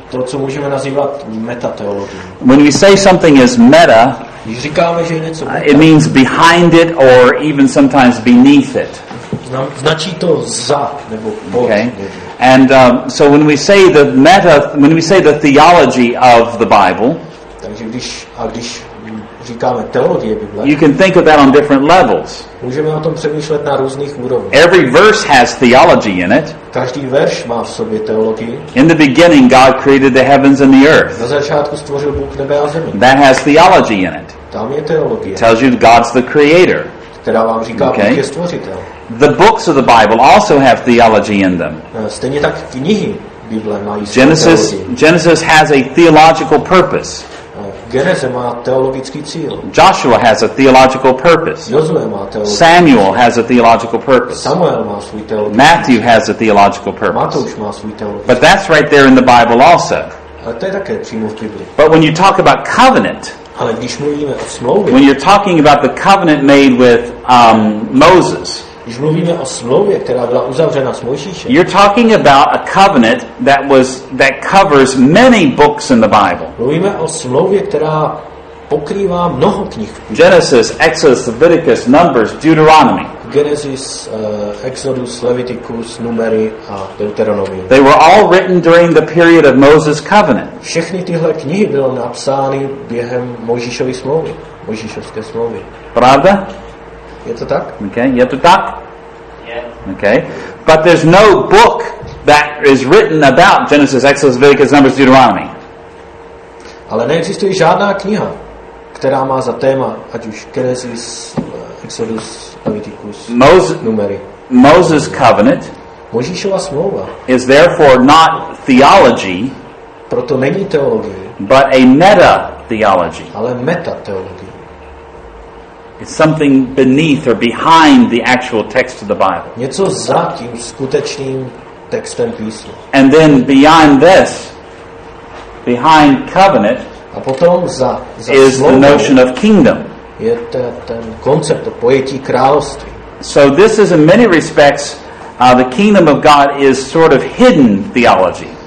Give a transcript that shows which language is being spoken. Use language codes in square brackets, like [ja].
[cs] To, co můžeme nazývat metateologií. [en] When we say something is meta, [cs] když říkáme, že je něco meta, [en] it means behind it or even sometimes beneath it. [cs] Značí to za nebo pod. [en] Okay. And so when we say the meta, when we say the theology of the Bible, [cs] takže když říkáme teologie Bible. [en] You can think of that on different levels. [cs] Můžeme o tom přemýšlet na různých úrovních. [en] Every verse has theology in it. [cs] Každý verš má v sobě teologii. [en] In the beginning God created the heavens and the earth. [cs] Na začátku stvořil Bůh nebe a zemi. [en] That has theology in it. [cs] Tam je teologie. [en] It tells you God's the creator. [cs] Která vám říká, okay. Bůh je stvořitel. [en] The books of the Bible also have theology in them. [cs] Stejně tak knihy Bible mají teologii. [en] Genesis has a theological purpose. [cs] Geneze má teologický cíl. [en] Joshua has a theological purpose. [cs] Josué má teologický cíl. [en] Samuel has a theological purpose. [cs] Samuel má svůj teologický cíl. [en] Matthew has a theological purpose. [cs] Matouš má svůj teologický cíl. [en] But that's right there in the Bible also. [cs] A to je také přímo v Biblii. [en] But when you talk about covenant, [cs] ale když mluvíme o smlouvě, [en] when you're talking about the covenant made with Moses, [cs] když mluvíme o smlouvě, která byla uzavřena s Mojžíšem, [en] you're talking about a covenant that covers many books in the Bible. [cs] Mluvíme o smlouvě, která pokrývá mnoho knih. [en] Genesis, Exodus, Leviticus, Numbers, Deuteronomy. [cs] Genesis, Exodus, Leviticus, Numeri a Deuteronomy. [en] They were all written during the period of Moses' covenant. [cs] Všechny tyhle knihy byly napsány během Mojžíšovy smlouvy, Mojžíšovské smlouvy. Pravda? Je to tak? Okay. Je to tak? Yeah. Okay. [en] But there's no book that is written about Genesis, Exodus, Leviticus, Numbers, Deuteronomy. [cs] Ale neexistuje žádná kniha, která má za téma ať už Genesis, Exodus, Leviticus, Numeri. [en] Moses covenant. [cs] Mojžíšova smlouva. [en] Is therefore not theology. [cs] Proto není teologie. [en] But a meta theology. [cs] Ale meta teologie. [en] It's something beneath or behind the actual text of the Bible. [cs] Něco za tím skutečným textem písma. [en] And then beyond this, behind covenant, [cs] a potom za [en] is the notion of kingdom. [cs] Je ten koncept o pojetí království. [en] So this is in many respects the kingdom of God is sort of hidden theology.